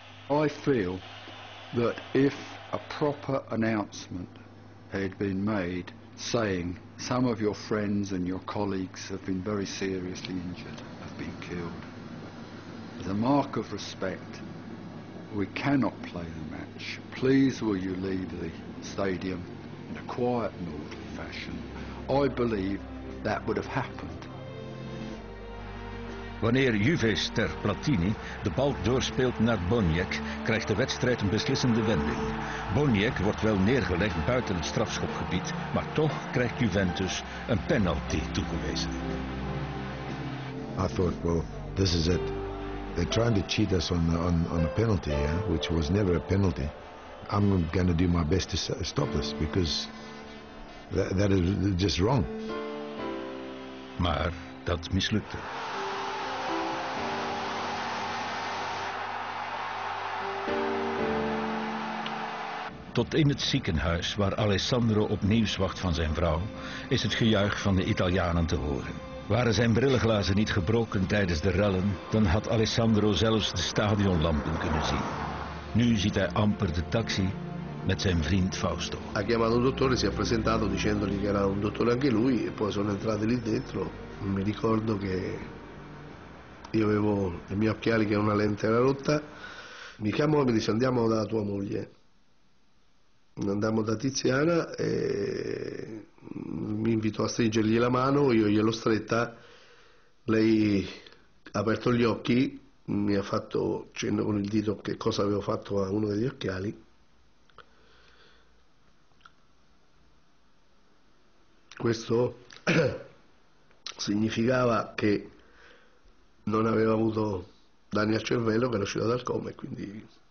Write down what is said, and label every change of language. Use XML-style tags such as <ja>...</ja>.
<en>I feel that if a proper announcement had been made saying some of your friends and your colleagues have been very seriously injured, have been killed. As a mark of respect, we cannot play the match. Please will you leave the stadium in a quiet and orderly fashion. I believe that would have happened.</en> <nl>Wanneer Juve-ster Platini de bal doorspeelt naar Boniek, krijgt de wedstrijd een beslissende wending. Boniek wordt wel neergelegd buiten het strafschopgebied, maar toch krijgt Juventus een penalty toegewezen.</nl> <en>I thought, well, this is it. They're trying to cheat us on a penalty, yeah? Which was never a penalty. I'm going to do my best to stop this, because that is just wrong.</en> <nl>Maar dat mislukte. Tot in het ziekenhuis, waar Alessandro opnieuw wacht van zijn vrouw, is het gejuich van de Italianen te horen. Waren zijn brillenglazen niet gebroken tijdens de rellen, dan had Alessandro zelfs de stadionlampen kunnen zien. Nu ziet hij amper de taxi met zijn vriend Fausto.</nl> <it>Ha chiamato un dottore, si è presentato dicendogli che era un dottore anche lui, e poi sono entrati lì dentro. Mi ricordo che io avevo i miei occhiali che una lente era rotta. Mi chiamò e mi dice andiamo da tua moglie. Andammo da Tiziana e mi invitò a stringergli la mano, io gliel'ho stretta, lei ha aperto gli occhi, mi ha fatto cenno con il dito che cosa avevo fatto a uno degli occhiali questo significava che non aveva avuto danni al cervello, che era uscito dal coma e quindi...</it>